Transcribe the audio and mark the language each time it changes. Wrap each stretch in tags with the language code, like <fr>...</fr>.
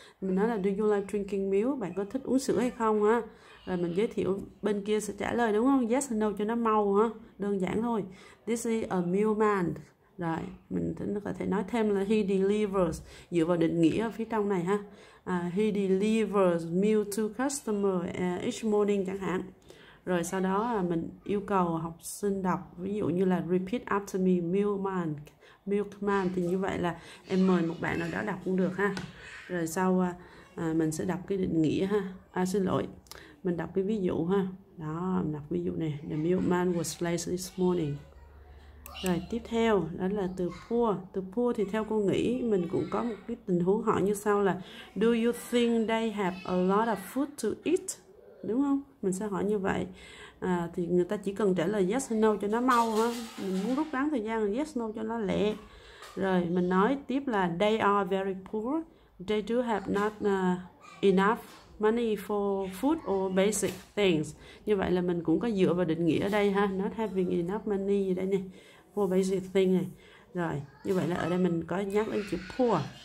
<vi>Mình nói là</vi> <en>Do you like drinking milk,</en> <vi>bạn có thích uống sữa hay không ha. Rồi mình giới thiệu, bên kia sẽ trả lời đúng không?</vi> <en>Yes or no</en> <vi>cho nó mau ha, đơn giản thôi.</vi> <en>This is a milkman.</en> <vi>Rồi, mình có thể nói thêm là</vi> <en>he delivers,</en> <vi>dựa vào định nghĩa ở phía trong này ha.</vi> <en>He delivers milk to customer each morning</en> <vi>chẳng hạn. Rồi sau đó mình yêu cầu học sinh đọc, ví dụ như là</vi> <en>repeat after me, milkman, milkman.</en> <vi>Thì như vậy là em mời một bạn nào đó đọc cũng được ha. Rồi sau mình sẽ đọc cái định nghĩa ha. Xin lỗi, mình đọc cái ví dụ ha. Đó, mình đọc ví dụ này.</vi> <en>The milkman was late this morning.</en> <vi>Rồi tiếp theo đó là từ poor. Từ poor thì theo cô nghĩ mình cũng có một cái tình huống hỏi như sau là</vi> <en>Do you think they have a lot of food to eat?</en> <vi>Đúng không? Mình sẽ hỏi như vậy. Thì người ta chỉ cần trả lời yes hay no cho nó mau ha. Mình muốn rút ngắn thời gian, yes no cho nó lẹ. Rồi mình nói tiếp là</vi> <en>they are very poor. They do have not enough money for food or basic things.</en> <vi>Như vậy là mình cũng có dựa vào định nghĩa ở đây ha,</vi> <en>not having enough money</en> <vi>gì đây nè.</vi> <en>For basic thing</en> <vi>này. Rồi, như vậy là ở đây mình có nhắc đến chữ poor.</vi>